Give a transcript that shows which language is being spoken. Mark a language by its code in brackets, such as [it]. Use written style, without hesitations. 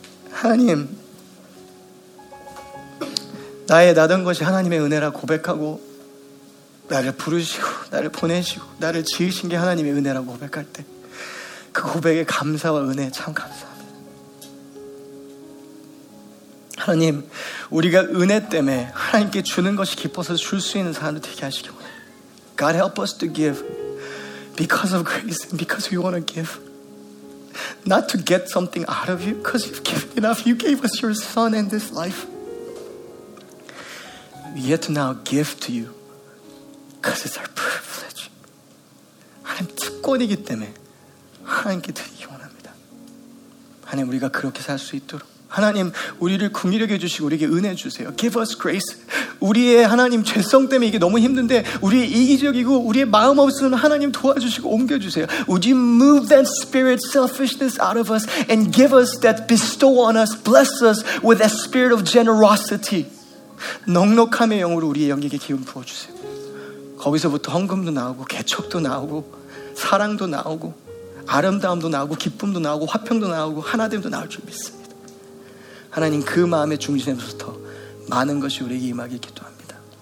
[ko] 하나님, 나의 나던 것이 하나님의 은혜라 고백하고 나를 부르시고 나를 보내시고 나를 지으신 게 하나님의 은혜라고 고백할 때 그 고백의 감사와 은혜 참 감사합니다. 하나님, 우리가 은혜 때문에 하나님께 주는 것이 기뻐서 줄 수 있는 사람도 되게 하시기 원해요. [en] God help us to give because of grace and because we want to give. Not to get something out of you because you've given enough. You gave us your son and this life. Yet to now give to you because it's our privilege. [ko] 하나님 특권이기 때문에 하나님께 드리기 원합니다. 하나님 우리가 그렇게 살 수 있도록 하나님 우리를 긍휼히 여겨주시고 우리에게 은혜 주세요. [en] Give us grace. [ko] 우리의 하나님 죄성 때문에 이게 너무 힘든데 우리의 이기적이고 우리의 마음 없으면 하나님 도와주시고 옮겨주세요. [en] Would you move that spirit selfishness out of us and give us that bestow on us, bless us with that spirit of generosity. [ko] 넉넉함의 영으로 우리의 영에게 기운 부어주세요. 거기서부터 헌금도 나오고 개척도 나오고 사랑도 나오고 아름다움도 나오고 기쁨도 나오고 화평도 나오고 하나됨도 나올 줄 믿습니다. 하나님 그 마음의 중심에서부터 많은 것이 우리에게 임하길 기도합니다.